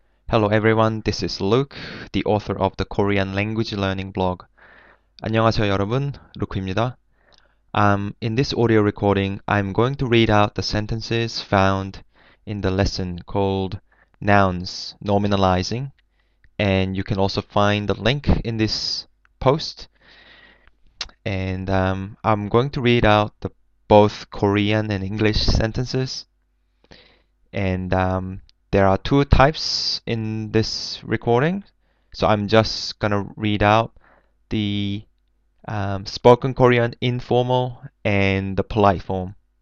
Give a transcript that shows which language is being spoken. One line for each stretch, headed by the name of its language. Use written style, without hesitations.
English: Hello everyone, this is Luke, the author of the Korean Language Learning Blog.
Korean: 안녕하세요 여러분, 루크입니다.
English: In this audio recording, I'm going to read out the sentences found in the lesson called Nouns Nominalizing, and you can also find the link in this post. And I'm going to read out the both Korean and English sentences, and there are two types in this recording, so I'm just gonna read out the spoken Korean informal and the polite form.